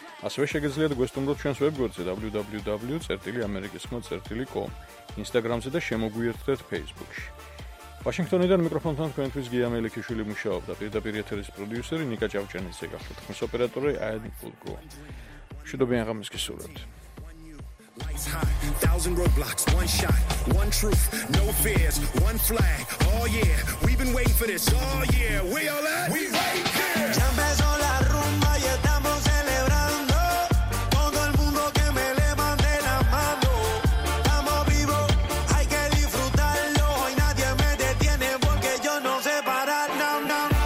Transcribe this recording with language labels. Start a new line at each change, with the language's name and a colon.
Georgian: ასევე შეგეძლიათ გვესტუმროთ ჩვენს ვებგვერდზე www.amerikeskhmo.com, ინსტაგრამზე და შემოგვიერთდეთ ფეისბუქში. ვაშინგტონიდან მიკროფონთან თქვენთვის გია მელიქიშვილი მუშაობდა, პირდაპირ ეთერის პროდიუსერი ნიკა ჭავჭანიძე გახლავთ, ხმის ოპერატორი აიდი პულკო. შედობიან ღამის გისურვებთ.
English: Lights high, thousand roadblocks, one shot, one truth, no fears, one flag, oh yeah, we've been waiting for this, oh yeah, we all at, we right here.
Spanish: Ya empezó la rumba y estamos celebrando, todo el mundo que me levante la mano, estamos vivos, hay que disfrutarlo, hoy nadie me detiene porque yo no sé parar, no, no.